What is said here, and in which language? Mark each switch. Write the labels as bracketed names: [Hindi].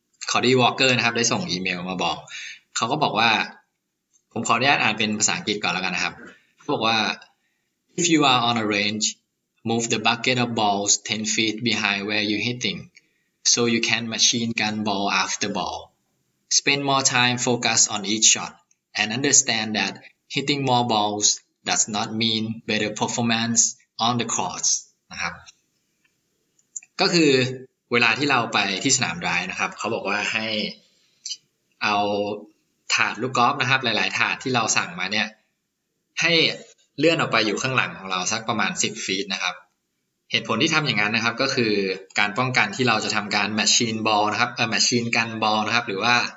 [Thai] คอร์ดี้วอล์กเกอร์นะครับได้ส่งอีเมลมาบอกเขาก็บอกว่าผมขออนุญาตอ่านเป็นภาษาอังกฤษก่อนแล้วกันนะครับเขาบอกว่า [English] If you are on a range, move the bucket of balls 10 feet behind where you're hitting, so you can machine gun ball after ball. Spend more time focused on each shot, and understand that hitting more balls does not mean better performance on the courts. [Thai] นะครับก็คือเวลาที่เราไปที่สนามไดรฟ์นะครับเขาบอกว่าให้เอาถาดลูกกอล์ฟนะครับหลายๆถาดที่เราสั่งมาเนี่ยให้เลื่อนออกไปอยู่ข้างหลังของเราสักประมาณ10ฟีตนะครับเหตุผลที่ทำอย่างนั้นนะครับก็คือการป้องกันที่เราจะทำการแมชชีนบอลนะครับแมชชีนกันบอลนะครับหรือว่า